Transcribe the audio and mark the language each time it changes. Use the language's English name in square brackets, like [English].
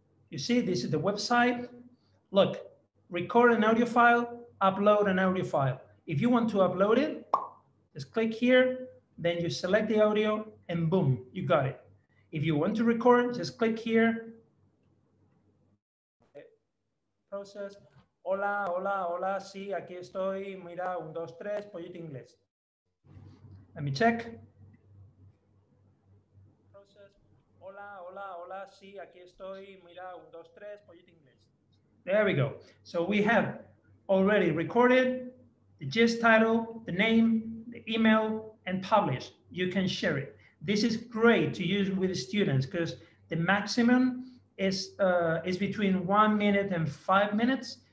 [English] You see, this is the website. Look, record an audio file, upload an audio file. If you want to upload it, just click here, then you select the audio, and boom, you got it. If you want to record, just click here. Process. [Spanish] Hola, hola, hola, sí, aquí estoy, mira, un, dos, tres, pollito inglés. [English] Let me check. [Spanish] Process. Hola, hola, hola, sí, aquí estoy, mira, un, dos, tres, pollito inglés. [English] There we go. So we have already recorded the gist title, the name, the email, and published. You can share it. This is great to use with students because the maximum is between 1 minute and 5 minutes.